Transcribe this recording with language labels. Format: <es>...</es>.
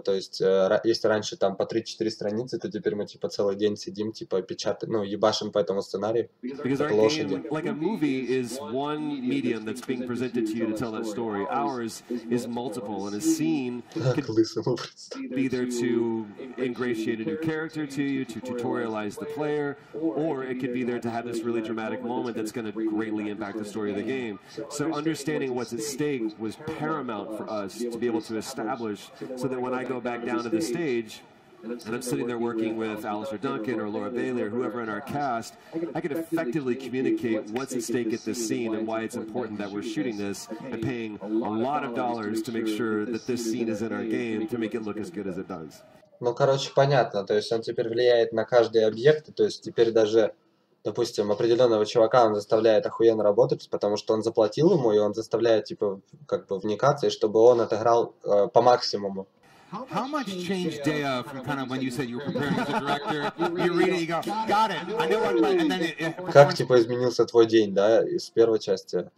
<ru>То есть, если раньше там по 3-4 страницы, то теперь мы типа целый день сидим, типа печатаем, ну, ебашим по этому сценарию.</ru> <en>Because our game, like a movie, is one medium that's being presented to you to tell that story. Ours is multiple, and a scene could be there to ingratiate a new character to you, to tutorialize the player, or it could be there to have this really dramatic moment that's going to greatly impact the story of the game. So understanding what's at stake was paramount for us to be able to establish, so that when I go back down to the stage and I'm sitting there working with Alistair Duncan or Laura Bailey or whoever in our cast, I could effectively communicate what's at stake at this scene and why it's important that we're shooting this and paying a lot of dollars to make sure that this scene is in our game to make it look as good as it does.</en> <ru>Ну, короче, понятно, то есть он теперь влияет на каждый объект, то есть теперь даже, допустим, определенного чувака он заставляет охуенно работать, потому что он заплатил ему, и он заставляет, типа, как бы вникаться, и чтобы он отыграл по максимуму.</ru> <en>How much changed day from kind of when you said you were preparing as a director? You read it, you go, got it. I know what, and then it.</en> <ru>Как типа изменился твой день, да, из первой части?</ru>